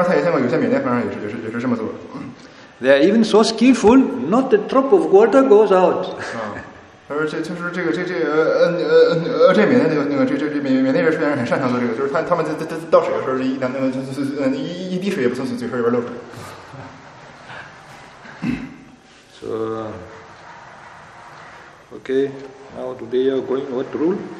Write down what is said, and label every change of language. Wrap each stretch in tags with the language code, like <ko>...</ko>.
<zh>他说他这样，他也见过有些缅甸和尚也是这么做。</zh> <en>They are even so skillful, not a drop of water goes out.</en> <zh>他说这缅甸那个那个这缅甸人虽然很擅长做这个，就是他们在倒水的时候，一滴水也不从嘴里边漏出来。</zh> <en>So, okay, now today you're going, what rule?</en>